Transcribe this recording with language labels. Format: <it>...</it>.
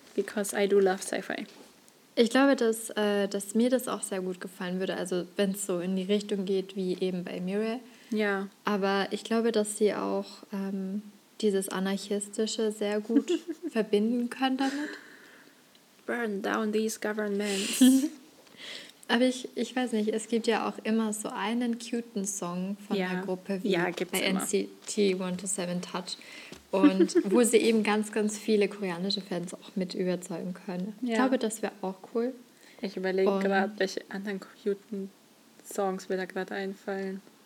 <en>Because I do love Sci-Fi.</en> <de>Ich glaube, dass mir das auch sehr gut gefallen würde. Also wenn es so in die Richtung geht wie eben bei Mirai. Ja. Aber ich glaube, dass sie auch dieses Anarchistische sehr gut verbinden können damit.</de> <en>Burn down these governments.</en> <de>Aber ich weiß nicht, es gibt ja auch immer so einen cuten Song von der Gruppe wie bei NCT 127 Touch. Und wo sie eben ganz, ganz viele koreanische Fans auch mit überzeugen können. Ja. Ich glaube, das wäre auch cool. Ich überlege gerade, welche anderen cuten Songs mir da gerade einfallen.</de>